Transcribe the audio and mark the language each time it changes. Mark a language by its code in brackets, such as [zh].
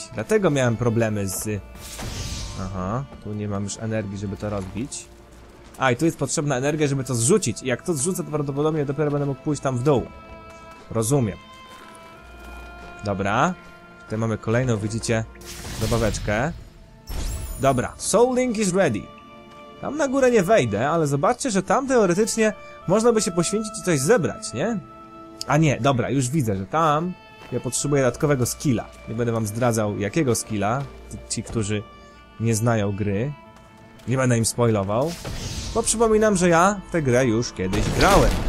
[pl] Dlatego miałem problemy z... Aha, tu nie mam już energii, żeby to rozbić. A, i tu jest potrzebna energia, żeby to zrzucić. I jak to zrzucę, to prawdopodobnie dopiero będę mógł pójść tam w dół. Rozumiem. Dobra. Tutaj mamy kolejną, widzicie, dobaweczkę. Dobra, [en] Soul Link is ready. [pl] Tam na górę nie wejdę, ale zobaczcie, że tam teoretycznie można by się poświęcić i coś zebrać, nie? A nie, dobra, już widzę, że tam ja potrzebuję dodatkowego skilla. Nie będę wam zdradzał, jakiego skilla. Ci, którzy nie znają gry. Nie będę im spoilował. Bo przypominam, że ja tę grę już kiedyś grałem.